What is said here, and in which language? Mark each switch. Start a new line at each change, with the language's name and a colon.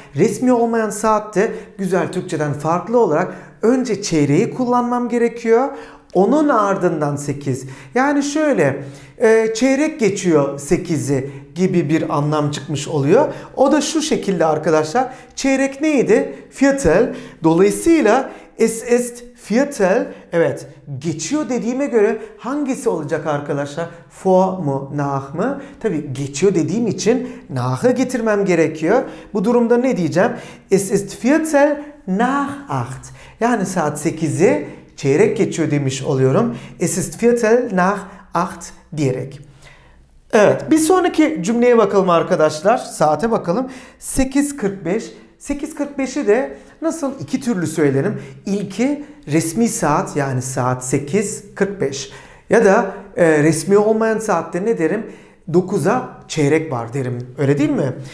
Turkish: Resmi olmayan saatte güzel Türkçeden farklı olarak önce çeyreği kullanmam gerekiyor. Onun ardından 8. Yani şöyle çeyrek geçiyor 8'i gibi bir anlam çıkmış oluyor. O da şu şekilde arkadaşlar. Çeyrek neydi? Viertel. Dolayısıyla
German: es ist viertel.
Turkish: Evet, geçiyor dediğime göre hangisi olacak arkadaşlar? Vor mu, nach mı? Tabii geçiyor dediğim için nach'ı getirmem gerekiyor. Bu durumda ne diyeceğim?
German: Es ist viertel nach acht.
Turkish: Yani saat 8'i çeyrek geçiyor demiş oluyorum.
German: Es ist viertel nach acht
Turkish: diyerek. Evet, bir sonraki cümleye bakalım arkadaşlar. Saate bakalım. 8.45. 8.45'i de nasıl iki türlü söylerim. İlki resmi saat, yani saat 8.45. Ya da resmi olmayan saatte ne derim? 9'a çeyrek var derim. Öyle değil mi?